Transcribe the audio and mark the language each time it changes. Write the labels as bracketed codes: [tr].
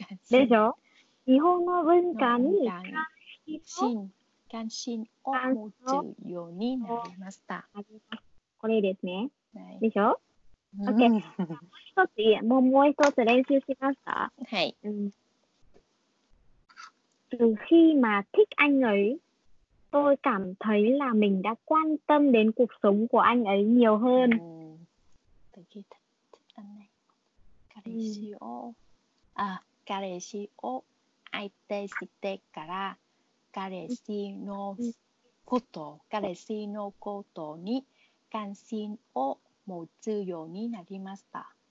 [ja] でしょ日本の文化に関心。関心を持つようになりました。これですね。はい、でしょ、うん、?OK。もう一つ、もう一つ練習しますか。はい。 [vi] Từ khi mà thích anh ấy, tôi cảm thấy là mình đã quan tâm đến cuộc sống của anh ấy nhiều hơn. Từ khi thích anh ấy, [ja] 彼氏を、あ、彼氏を愛してから彼氏のこと、彼氏のことに関心を持つようになりました。